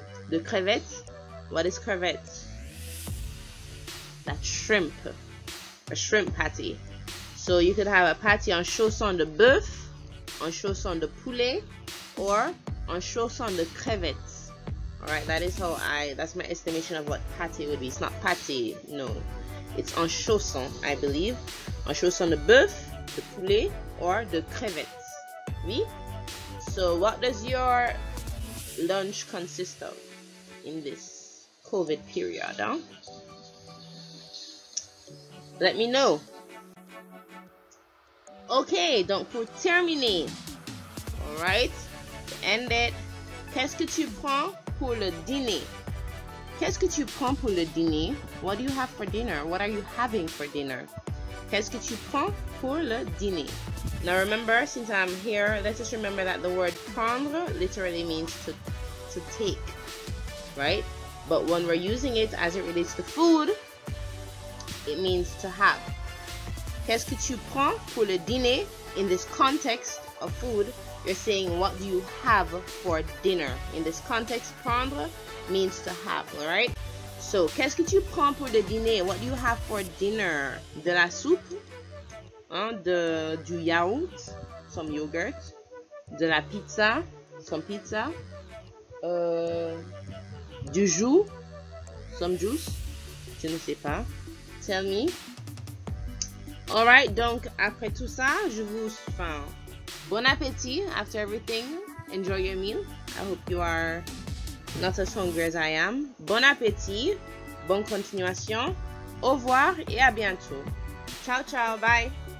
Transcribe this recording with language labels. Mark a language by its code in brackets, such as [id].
[en] De crevettes, what is crevettes? That's shrimp, a shrimp patty. So you could have a patty [fr] un chausson de bœuf, un chausson de poulet, [en] or [fr] un chausson de crevettes. [en] Alright, that's my estimation of what pâté would be. It's not pâté, no. It's un chausson, I believe. [fr] Un chausson de bœuf, de poulet, or de crevettes. Oui? [en] So, what does your lunch consist of in this COVID period, huh? Let me know. Okay, [fr] donc pour terminer. [en] Alright, to end it. [fr] Qu'est-ce que tu prends? Pour le dîner. Qu'est-ce que tu prends pour le dîner? [en] What do you have for dinner? What are you having for dinner? [fr] Qu'est-ce que tu prends pour le dîner? [en] Now remember, since I'm here, let's just remember that the word prendre literally means to take, right? But when we're using it as it relates to food, it means to have. [fr] Qu'est-ce que tu prends pour le dîner? [en] In this context of food, you're saying, what do you have for dinner? In this context, prendre means to have, all right? [fr] So, qu'est-ce que tu prends pour le dîner? [en] What do you have for dinner? [fr] De la soupe, hein? Du yaourt, [en] some yogurt, [fr] de la pizza, [en] some pizza, [fr] du jus, [en] some juice, [fr] je ne sais pas. [en] Tell me. [fr] All right, donc, après tout ça, je vous... [en] Bon appétit after everything. Enjoy your meal. I hope you are not as hungry as I am. [fr] Bon appétit. Bonne continuation. Au revoir et à bientôt. Ciao, ciao. Bye.